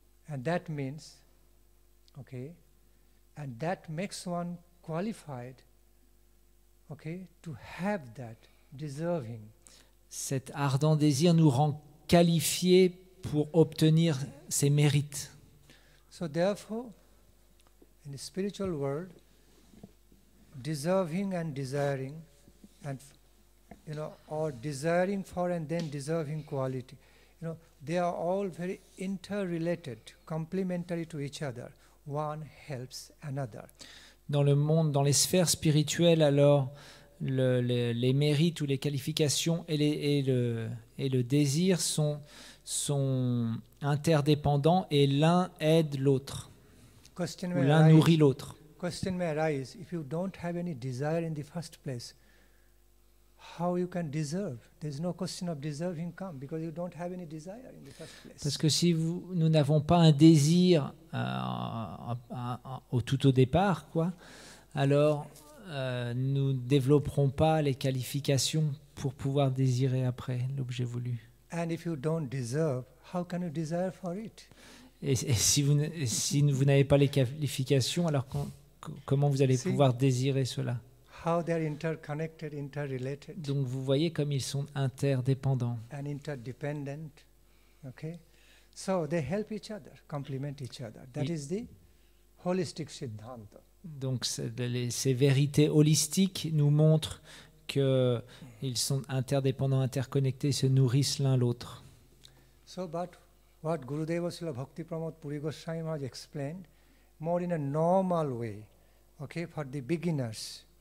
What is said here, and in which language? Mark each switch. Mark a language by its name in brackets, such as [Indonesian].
[English] And that means, okay, and that makes one qualified, okay, to have that deserving. [French] Cet ardent désir nous rend qualifiés pour obtenir ses mérites. [English] So therefore, in the spiritual world, deserving and desiring, and you know, or desiring for and then deserving quality, you know, they are all very interrelated, complementary to each other. One helps another. [French] Dans le monde, dans les sphères spirituelles, alors les mérites ou les qualifications et le désir sont interdépendants, et l'un aide l'autre. L'un nourrit l'autre. [English] Question may arise, if you don't have any desire in the first place, how you can deserve? There's no question of deserving come because you don't have any desire in the first place. [French] Parce que si nous n'avons pas un désir au départ, quoi, alors nous ne développerons pas les qualifications pour pouvoir désirer après l'objet voulu. [English] And if you don't deserve, how can you desire for it? [French] Et si vous n'avez pas les qualifications, alors comment vous allez pouvoir désirer cela ? [English] How they are interconnected, interrelated. [French] Donc vous voyez comme ils sont interdépendants. [English] And interdependent. Okay. So they help each other, complement each other. That is the holistic siddhanta. [French] Donc ces vérités holistiques nous montrent qu'ils sont interdépendants, interconnectés, se nourrissent l'un l'autre. [English] So but what Gurudev Srila Bhakti Pramod Puri Goswami Maharaj explained more in a normal way, okay, for the beginners.